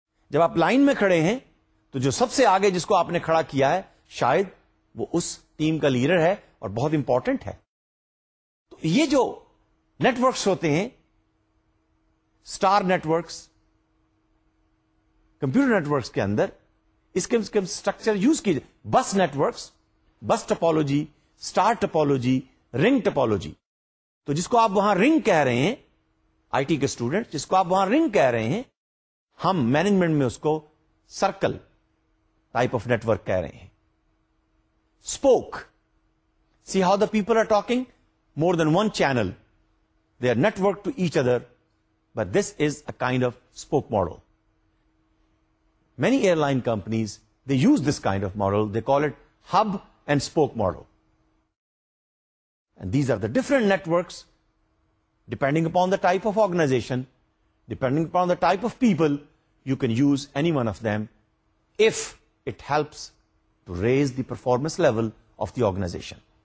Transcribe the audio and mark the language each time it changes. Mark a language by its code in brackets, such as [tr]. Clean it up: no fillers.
[ur] جب آپ لائن میں کھڑے ہیں تو جو سب سے آگے جس کو آپ نے کھڑا کیا ہے شاید وہ اس ٹیم کا لیڈر ہے اور بہت امپورٹنٹ ہے. تو یہ جو نیٹ ورکس ہوتے ہیں, star net works, computer net works کے اندر اس کے سٹرکچر یوز کیجیے. بس نیٹ ورکس, بس ٹپولوجی, سٹار ٹپولوجی, رنگ ٹپالوجی. تو جس کو آپ وہاں رنگ کہہ رہے ہیں, آئی ٹی کے اسٹوڈنٹ, جس کو آپ وہاں رنگ کہہ رہے ہیں, ہم مینجمنٹ میں اس کو [en] circle type of network [ur] کہہ رہے ہیں. [en] Spoke, see how the people are talking more then one channel, they our network to each other, but this is a kind of spoke model. Many air line companies they use this kind of model, they call it hub and spoke model. And these are the different networks depending upon the type of organization, depending upon the type of people, you can use any one of them if it helps to raise the performance level of the organization.